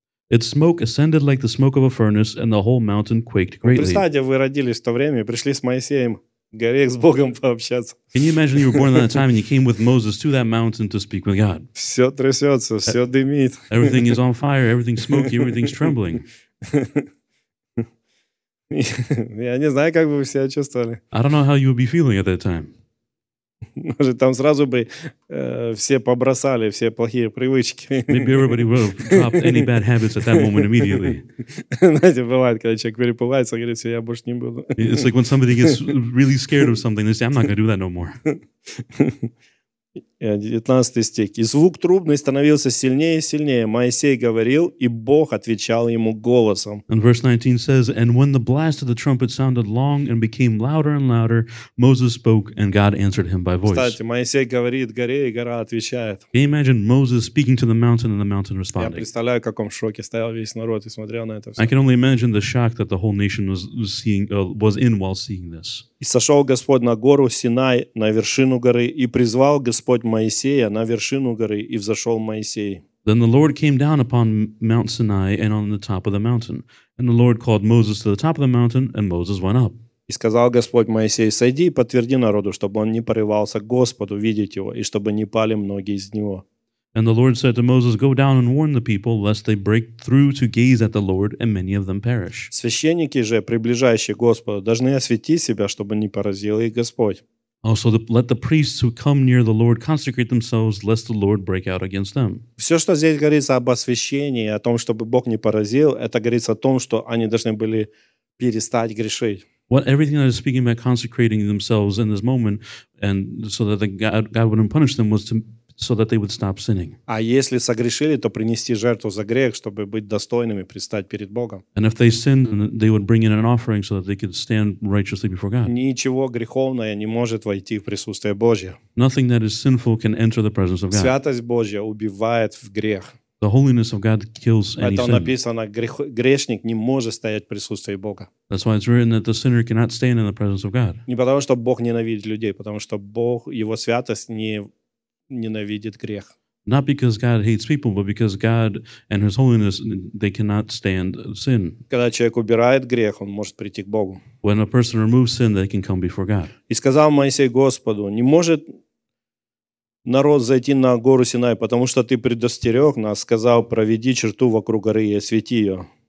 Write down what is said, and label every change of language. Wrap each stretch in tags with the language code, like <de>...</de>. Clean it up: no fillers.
<en>Its smoke ascended like the smoke of a furnace, and the whole mountain quaked greatly.</en> <ru>Представьте, вы родились в то время и пришли с Моисеем в горе с Богом пообщаться.</ru> <en>Can you imagine you were born at that time and you came with Moses to that mountain to speak with God?</en> <ru>Все трясется, все дымит.</ru> <en>Everything is on fire, everything's smoky, everything's trembling.</en> <ru>Я не знаю, как бы вы себя чувствовали.</ru> <en>I don't know how you would be feeling at that time.</en> <ru>Может, там сразу бы все побросали все плохие привычки.</ru> <en>Maybe everybody would have dropped any bad habits at that moment immediately.</en> <ru>Знаете, бывает, когда человек перепугается, говорит, все, я больше не буду.</ru> <en>It's like when somebody gets really scared of something, they say, I'm not going to do that no more.</en> <ru>19 стих. И звук трубный становился сильнее и сильнее. Моисей говорил, и Бог отвечал ему голосом.</ru> <en>And verse 19 says, and when the blast of the trumpet sounded long and became louder and louder, Moses spoke, and God answered him by voice.</en> <ru>Кстати, Моисей говорит горе, и гора отвечает.</ru> <en>Can you imagine Moses speaking to the mountain and the mountain responding?</en> <ru>Я представляю, в каком шоке стоял весь народ и смотрел на это все.</ru> <en>I can only imagine the shock that the whole nation was in while seeing this.</en> <ru>И сошел Господь на гору Синай, на вершину горы, и призвал Господь Моисея на вершину горы, и взошел Моисей.</ru> <en>Then the Lord came down upon Mount Sinai and on the top of the mountain. And the Lord called Moses to the top of the mountain, and Moses went up.</en> <ru>И сказал Господь Моисею, сойди и подтверди народу, чтобы он не порывался к Господу видеть его, и чтобы не пали многие из него.</ru> <en>And the Lord said to Moses, go down and warn the people, lest they break through to gaze at the Lord, and many of them perish.</en> <ru>Священники же, приближающие к Господу, должны осветить себя, чтобы не поразил их Господь.</ru> <en>Also, let the priests who come near the Lord consecrate themselves, lest the Lord break out against them.</en> <ru>Все, что здесь говорится об освящении, о том, чтобы Бог не поразил, это говорится о том, что они должны были перестать грешить.</ru> <en>What everything that is speaking about consecrating themselves in this moment, and so that God wouldn't punish them, was to so that they would stop sinning.</en> <ru>А если согрешили, то принести жертву за грех, чтобы быть достойными предстать перед Богом.</ru> <en>And if they sinned, they would bring in an offering so that they could stand righteously before God.</en> <ru>Ничего греховное не может войти в присутствие Божье.</ru> <en>Nothing that is sinful can enter the presence of God.</en> <ru>Святость Божья убивает в грех.</ru> <en>The holiness of God kills any sin.</en> <ru>Поэтому написано, грешник не может стоять в присутствии Бога.</ru> <en>That's why it's written that the sinner cannot stand in the presence of God.</en> <ru>Не потому что Бог ненавидит людей, потому что Бог, его святость не ненавидит грех.</ru> <en>Not because God hates people, but because God and His holiness, they cannot stand sin.</en> <ru>Когда человек убирает грех, он может прийти к Богу.</ru> <en>When a person removes sin, they can come before God.</en> <ru>И сказал Моисей Господу, не может народ зайти на гору Синай, потому что ты предостерег нас, сказал, проведи черту вокруг горы и освети ее.</ru>